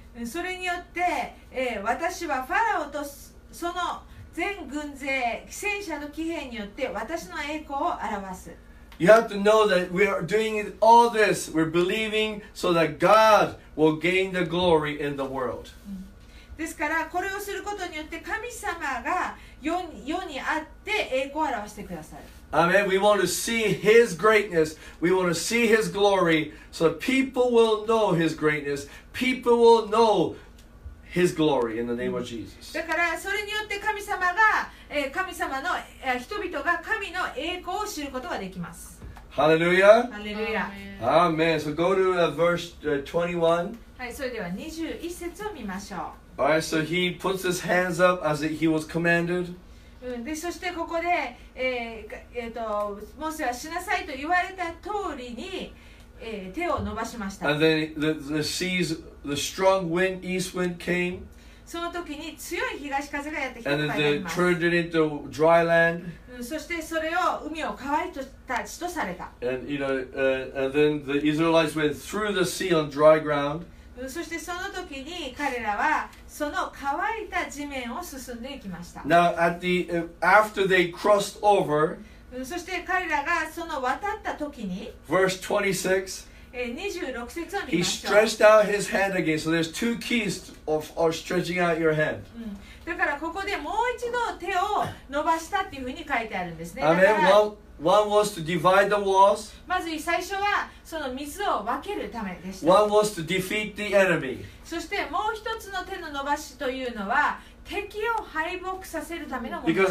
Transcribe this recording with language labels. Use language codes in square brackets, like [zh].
[ja] それによって、私はファラオとその全軍勢、騎戦車の騎兵によって私の栄光を表す。 [en] You have to know that we are doing all this. We're believing so that God will gain the glory in the world. [ja] ですから、これをすることによって神様が世にあって栄光を表してくださる。 [en] Amen. We want to see His greatness. We want to see His glory. So people will know His greatness. People will know His glory in the name of Jesus. [ja] だからそれによって神様が、神様の、人々が神の栄光を知ることができます。 [en] Hallelujah. Hallelujah. Amen. So go to verse 21. [ja] はい、それでは21節を見ましょう。 [en] All right, so he puts his hands up as he was commanded. [ja] でそしてここで、モーセはしなさいと言われた通りに、手を伸ばしました。 [en] And then the seas, the strong wind, east wind came. [ja] その時に強い東風がやってきました。 [en] And then they turned it into dry land. [ja] そしてそれを海を乾いた地とされた。 [en] And, you know, and then the Israelites went through the sea on dry ground. [ja] そしてその時に彼らはその乾いた地面を進んでいきました。 [en] Now, at the, after they crossed over, [ja] そして彼らがその渡った時に [en] Verse [ja] 26節を見ましょう。 [en] He stretched out his hand again. So there's two keys of stretching out your hand. [ja] だからここでもう一度手を伸ばしたっていうふうに書いてあるんですね。 [en] Amen. Well, one was to divide the walls. [ja] まず最初はその水を分けるためでした。 [en] One was to defeat the enemy. [ja] そしてもう一つの手の伸ばしというのは敵を敗北させるためのものです。